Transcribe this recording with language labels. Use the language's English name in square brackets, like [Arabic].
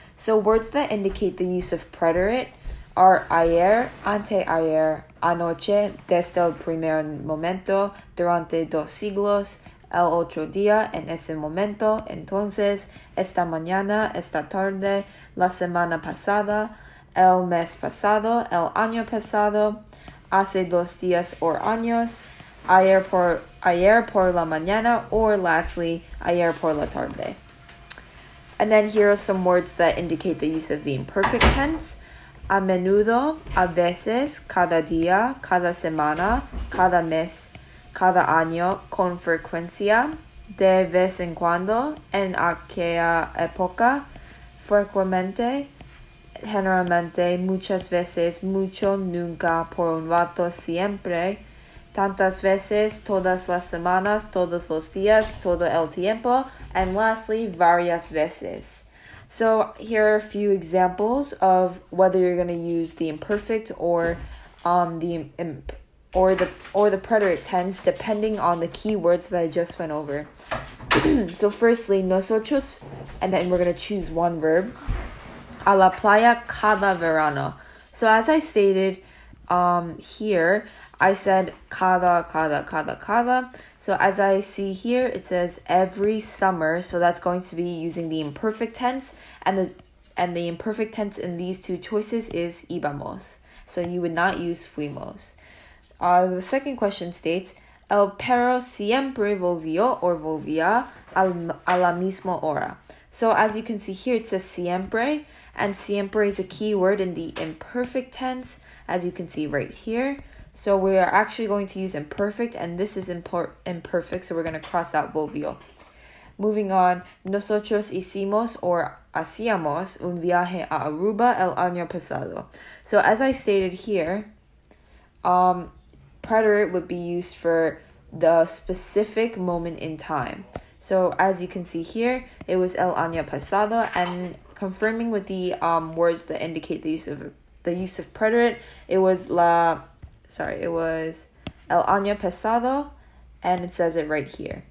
[English] So words that indicate the use of preterite are [Spanish] ayer, anteayer, anoche, desde el primer momento, durante dos siglos, el otro día, en ese momento, entonces, esta mañana, esta tarde, la semana pasada, el mes pasado, el año pasado, hace dos días o años, ayer por la mañana, [English] or lastly, [Spanish] ayer por la tarde. [English] And then here are some words that indicate the use of the imperfect tense. [Spanish] A menudo, a veces, cada día, cada semana, cada mes, cada año, con frecuencia, de vez en cuando, en aquella época, frecuentemente, generalmente, muchas veces, mucho, nunca, por un rato, siempre, tantas veces, todas las semanas, todos los días, todo el tiempo, [English] and lastly, [Spanish] varias veces. [English] So here are a few examples of whether you're going to use the imperfect or the preterite tense, depending on the keywords that I just went over. So firstly, nosotros, and then we're going to choose one verb, [Spanish] a la playa cada verano. [English] So as I stated here, I said cada. So as I see here, it says every summer. So that's going to be using the imperfect tense. And the imperfect tense in these two choices is íbamos. So you would not use fuimos. The second question states, [Spanish] el perro siempre volvió or volvía a la misma hora. [English] So as you can see here, it says siempre. And siempre is a key word in the imperfect tense, as you can see right here. So we are actually going to use imperfect, and this is imperfect, so we're going to cross out volvió. Moving on, [Spanish] nosotros hicimos or hacíamos un viaje a Aruba el año pasado. [English] So as I stated here, preterite would be used for the specific moment in time. So as you can see here, it was [Spanish] el año pasado, [English] and confirming with the words that indicate the use of preterite, it was el año pasado, and it says it right here.